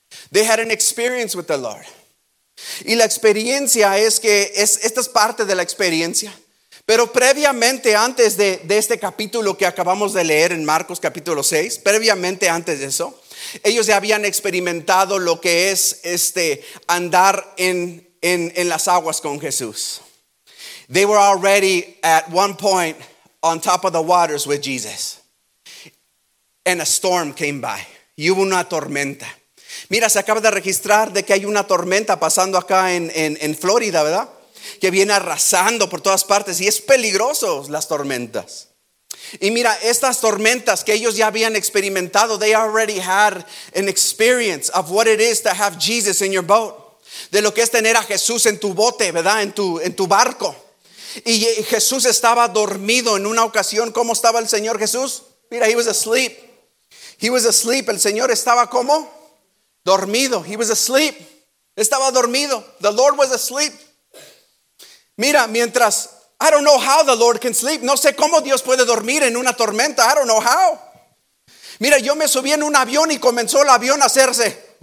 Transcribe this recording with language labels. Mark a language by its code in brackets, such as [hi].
[en] They had an experience with the Lord. [es] Y la experiencia es que esta es parte de la experiencia. Pero previamente, antes de este capítulo que acabamos de leer en Marcos capítulo 6, previamente antes de eso, ellos ya habían experimentado lo que es andar en las aguas con Jesús. [en] They were already at one point on top of the waters with Jesus. And a storm came by. [es] Y hubo una tormenta. Mira, se acaba de registrar de que hay una tormenta pasando acá en Florida, ¿verdad? Que viene arrasando por todas partes y es peligroso las tormentas. Y mira, estas tormentas que ellos ya habían experimentado, [en] they already had an experience of what it is to have Jesus in your boat. [es] De lo que es tener a Jesús en tu bote, ¿verdad? En tu barco. Y Jesús estaba dormido en una ocasión. ¿Cómo estaba el Señor Jesús? Mira, [en] he was asleep. He was asleep. [es] El Señor estaba ¿cómo? Dormido, [en] he was asleep. [es] Estaba dormido. [en] The Lord was asleep. [es] Mira, mientras, [en] I don't know how the Lord can sleep. [es] No sé cómo Dios puede dormir en una tormenta. [en] I don't know how. [es] Mira, yo me subí en un avión y comenzó el avión a hacerse.